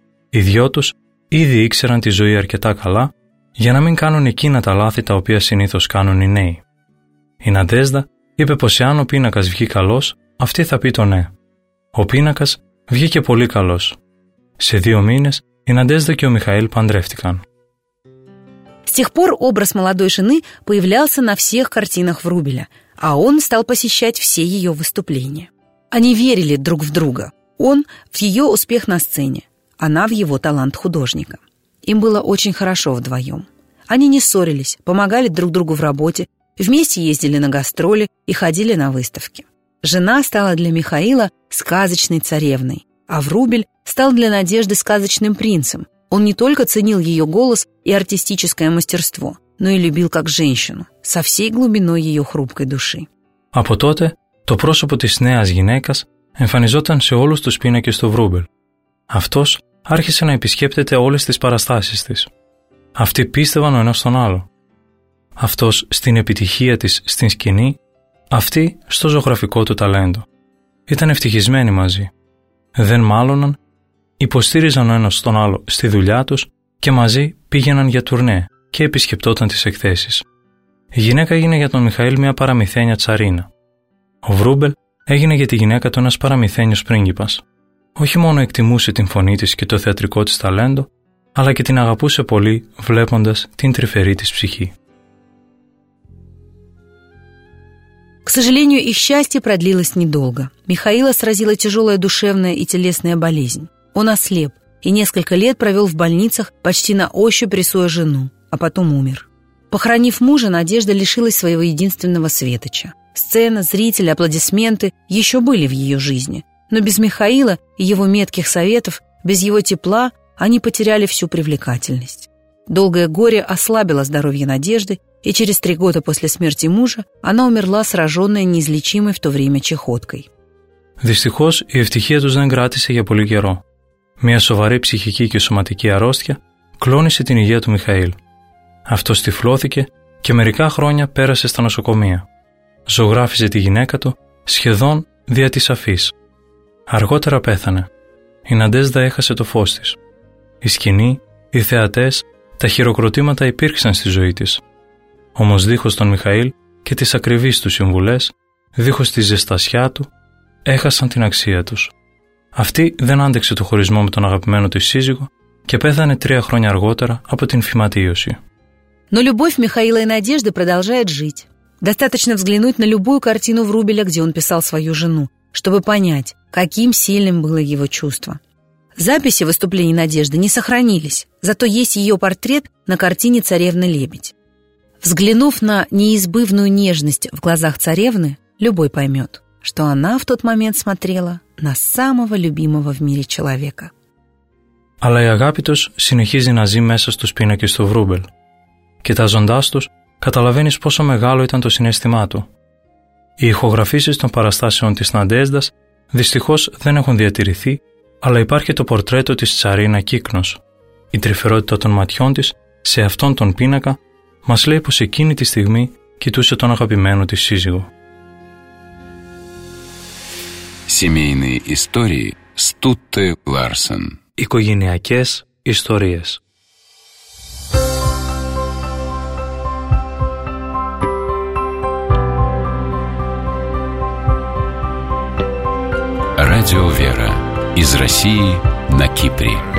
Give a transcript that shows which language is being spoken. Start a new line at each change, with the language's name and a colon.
Greek: Οι δυο τους ήδη ήξεραν τη ζωή αρκετά καλά για να μην κάνουν εκείνα τα λάθη τα οποία συνήθως κάνουν οι νέοι. Η Ναντέζδα είπε πως εάν ο πίνακας βγει καλός, αυτή θα πει το ναι. Ο πίνακας βγήκε πολύ καλός. Σε 2 μήνες η Ναντέζδα και ο Μιχαήλ παντρεύτηκαν.
Russian: С тех пор образ молодой жены появлялся на всех картинах Врубеля, а он стал посещать все ее выступления. Они верили друг в друга. Он в ее успех на сцене, она в его талант художника. Им было очень хорошо вдвоем. Они не ссорились, помогали друг другу в работе, вместе ездили на гастроли и ходили на выставки. Жена стала для Михаила сказочной царевной, а Врубель стал для Надежды сказочным принцем. Он не только ценил ее голос и артистическое мастерство, но и любил как женщину, со всей глубиной ее хрупкой души.
Greek: Από τότε, το πρόσωπο της νέας γυναίκας εμφανιζόταν σε όλους τους πίνακες του Βρούμπελ. Αυτός άρχισε να επισκέπτεται όλες τις παραστάσεις της. Αυτοί πίστευαν ο ένας στον άλλο. Αυτός στην επιτυχία της στην σκηνή, αυτή στο ζωγραφικό του ταλέντο. Ήταν ευτυχισμένοι μαζί. Δεν μάλωναν, υποστήριζαν ο ένας τον άλλο στη δουλειά τους και μαζί πήγαιναν για τουρνέ και επισκεπτόταν τις εκθέσεις. Η γυναίκα έγινε για τον Μιχαήλ μια παραμυθένια τσαρίνα. Ο Βρούμπελ έγινε για τη γυναίκα του ένας παραμυθένιος πρίγκιπας. Όχι μόνο εκτιμούσε την φωνή της και το θεατρικό της ταλέντο, αλλά και την αγαπούσε πολύ βλέποντας την τρυφερή της ψυχή.
Russian: К сожалению, их счастье продлилось недолго. Михаила сразила тяжелая душевная и телесная болезнь. Он ослеп и несколько лет провел в больницах, почти на ощупь рисуя жену, а потом умер. Похоронив мужа, Надежда лишилась своего единственного светоча. Сцена, зрители, аплодисменты еще были в ее жизни. Но без Михаила и его метких советов, без его тепла, они потеряли всю привлекательность. Долгое горе ослабило здоровье Надежды, и через 3 года после смерти мужа она умерла, сраженная неизлечимой в то время чахоткой.
Greek: Дистихос, и ευτυχία тους δεν κράτησε για πολύ καιρό. Μια σοβαρή ψυχική και σωματική αρρώστια κλώνησε την υγεία του Μιχαήλ. Αυτός τυφλώθηκε και μερικά χρόνια πέρασε στα νοσοκομεία. Ζωγράφιζε τη γυναίκα του σχεδόν δια της αφής. Αργότερα πέθανε. Η Ναντέζδα έχασε το φως της. Η σκηνή, οι θεατές, τα χειροκροτήματα υπήρξαν στη ζωή της. Όμως δίχως τον Μιχαήλ και τις ακριβείς του συμβουλές, δίχως τη ζεστασιά του, έχασαν την αξία τους. Αυτή δεν άντεξε το χωρισμό με τον αγαπημένο της σύζυγο και πέθανε 3 χρόνια αργότερα από την φυματίωση.
Russian: Но любовь Михаила и Надежды продолжает жить. Достаточно взглянуть на любую картину Врубеля, где он писал свою жену, чтобы понять, каким сильным было его чувство. Записи выступлений Надежды не сохранились, зато есть ее портрет на картине «Царевна-лебедь». Взглянув на неизбывную нежность в глазах царевны, любой поймет, что она в тот момент смотрела на самого любимого в мире человека.
Greek: Αλλά η αγάπη τους συνεχίζει να ζει μέσα στους πίνακες του Βρούμπελ. Κοιτάζοντάς τους, καταλαβαίνεις πόσο μεγάλο ήταν το συναίσθημά του. Οι ηχογραφήσεις των παραστάσεων της Ναντέζδας δυστυχώς δεν έχουν διατηρηθεί, αλλά υπάρχει το πορτρέτο της Τσαρίνα Κύκνος. Η τρυφερότητα των ματιών της σε αυτόν τον πίνακα μας λέει πως εκείνη τη στιγμή κοιτούσε τον αγαπημένο της σύζυγο.
Russian: Семейные истории Стутте Ларсен.
Greek: Οικογενειακές ιστορίες.
Russian: Радио Вера. Из России на Кипре.